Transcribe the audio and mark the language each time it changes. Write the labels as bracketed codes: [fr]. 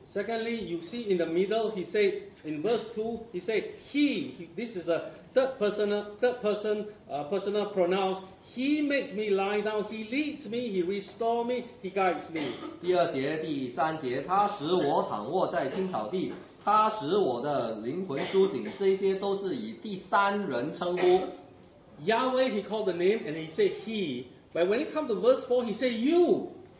[en] Secondly, you see in the middle, he said in verse 2, he said this is a third personal pronoun. He makes me lie down, he leads me, he restores me, he guides me. [zh] 第二节、第三节，他使我躺卧在青草地，他使我的灵魂苏醒，这些都是以第三人称呼。 [en] Yahweh, he called the name and he said he. But when it comes to verse 4, he said you.